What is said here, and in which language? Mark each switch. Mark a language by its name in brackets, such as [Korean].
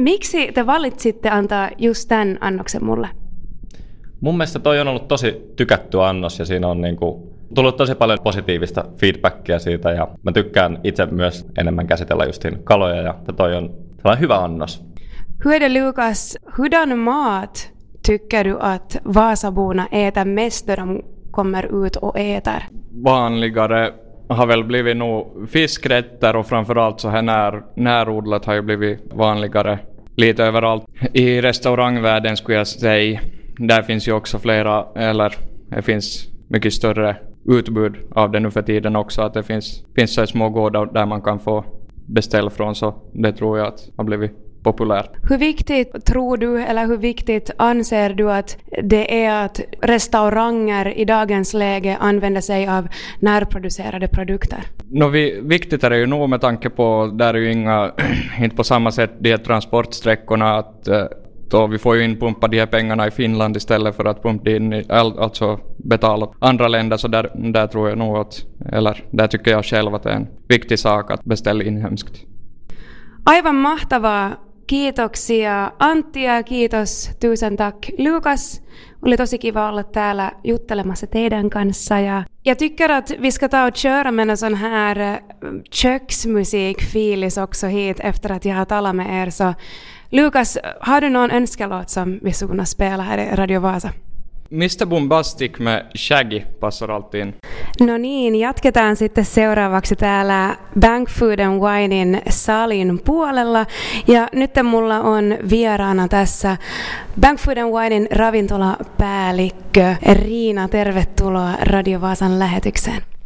[Finnish] Miksi te valitsitte antaa just tämän annoksen mulle? Mun mielestä toi on ollut tosi tykätty annos ja siinä on niinku tullut tosi paljon positiivista feedbackia siitä ja mä tykkään itse myös enemmän käsitellä justiin kaloja ja toi on sellainen hyvä annos. [Swedish] Hyödy Lukas, hurdan mat tycker du att Vasabona äter mest när de kommer ut och äter? Vanligare har väl blivit nog fiskrätter och framförallt så här närodlat har ju blivit vanligare lite överallt. I restaurangvärlden skulle jag säga, där finns ju också flera, eller det finns mycket större utbud av det nu för tiden också, att det finns så små gårdar där man kan få beställa från, så det tror jag att har blivit populärt. Hur viktigt tror du eller hur viktigt anser du att det är att restauranger i dagens läge använder sig av närproducerade produkter? Viktigt är det ju nog med tanke på, där är ju inga inte på samma sätt de transportsträckorna, att då vi får ju inpumpa de här pengarna i Finland istället för att pumpa in, alltså betala andra länder, så där tror jag nog att, eller där tycker jag själv att det är en viktig sak att beställa inhemskt. [Finnish] Aivan mahtavaa. Kiitoksia Antti ja kiitos [Swedish] tusen tack [Finnish] Lukas. Oli tosi kiva olla täällä juttelemassa teidän kanssa. [Swedish] Ja tycker att vi ska ta och köra med en sån här köksmusik-fiilis också hit efter att jag har talat med er. Så Lukas, har du någon önskelåt som vi skulle spela här i Radio Vasa? Mr. Bombastic med Shaggy passar alltid in. [Finnish] No niin, jatketaan sitten seuraavaksi täällä Bank Food & Winein salin puolella. Ja nyt mulla on vieraana tässä Bank Food & Winein ravintolapäällikkö Riina. Tervetuloa Radio Vaasan lähetykseen.